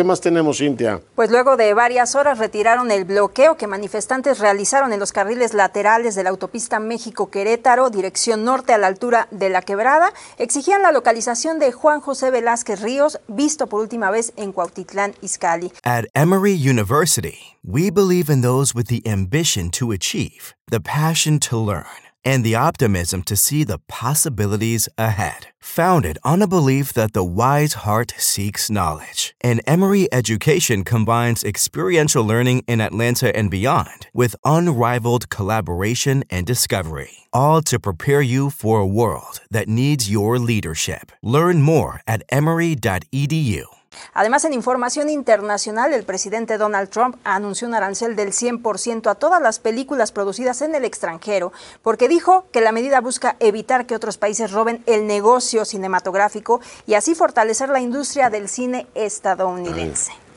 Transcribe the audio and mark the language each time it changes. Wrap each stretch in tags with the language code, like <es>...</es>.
<es>¿Qué más tenemos, Cintia? Pues luego de varias horas retiraron el bloqueo que manifestantes realizaron en los carriles laterales de la autopista México-Querétaro, dirección norte a la altura de La Quebrada, exigían la localización de Juan José Velázquez Ríos, visto por última vez en Cuautitlán, Izcalli.</es> <en>At Emory University, we believe in those with the ambition to achieve, the passion to learn, and the optimism to see the possibilities ahead. Founded on a belief that the wise heart seeks knowledge, an Emory education combines experiential learning in Atlanta and beyond with unrivaled collaboration and discovery, all to prepare you for a world that needs your leadership. Learn more at emory.edu.</en> <es>Además, en información internacional, el presidente Donald Trump anunció un arancel del 100% a todas las películas producidas en el extranjero, porque dijo que la medida busca evitar que otros países roben el negocio cinematográfico y así fortalecer la industria del cine estadounidense.</es>